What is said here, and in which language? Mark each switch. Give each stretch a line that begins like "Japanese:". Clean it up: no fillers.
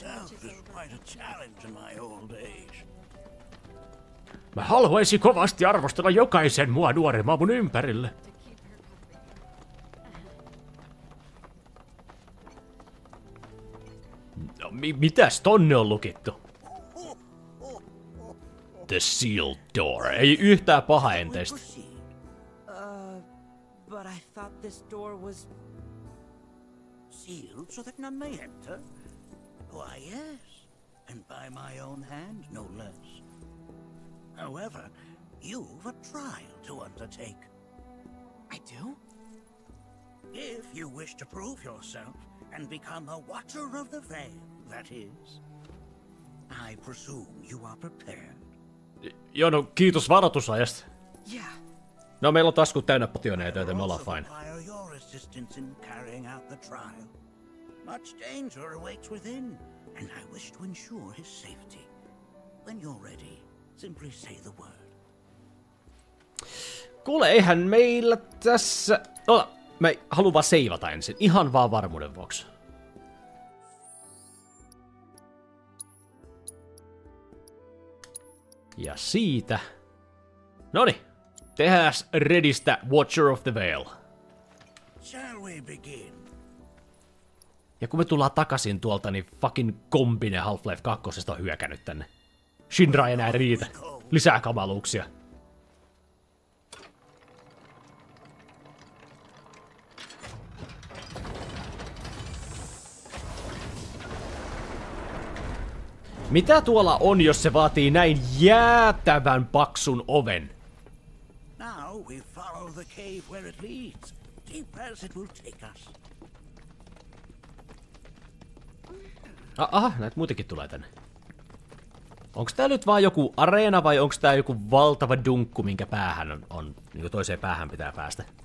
English: Myself is quite a challenge in my old age.
Finnish: Mä haluaisin kovasti arvostella jokaisen mua nuoremman mun ympärille. Mitäs tonne on lukittu?
English: The sealed door.
Finnish: Ei yhtään paha enteistä.
English: But I thought this door was sealed so that none may enter. Why yes, and by my own hand no less. However, you've a trial to undertake. I do? If you wish to prove yourself and become a watcher of the veil. That is. I presume you are prepared.
Finnish: Joo, no kiitos varoitusajasta.
English: Yeah.
Finnish: No meillä on taskut täynnä potioneita, joten me ollaan fine.
English: I require your assistance in carrying out the trial. Much danger awaits within, and I wish to ensure his safety. When you're ready, simply say the word.
Finnish: Kuule, eihän meillä tässä... Ota, mä haluun vaan seivata ensin, ihan vaan varmuuden vuoksi. Ja siitä. Noni, tehdään redistä Watcher of the Veil.
English: Shall we begin?
Finnish: Ja kun me tullaan takaisin tuolta, niin fucking kombine Half-Life 2 on hyökännyt tänne. Shinra ei enää riitä. Lisää kamaluuksia. Mitä tuolla on, jos se vaatii näin jäätävän paksun oven?
English: Now we follow the cave where it leads. Deep as it will take us.
Finnish: Aha, näitä muitakin tulee tänne. Onks tää nyt vaan joku areena vai onks tää joku valtava dunkku, minkä päähän on niin kuin toiseen päähän pitää päästä?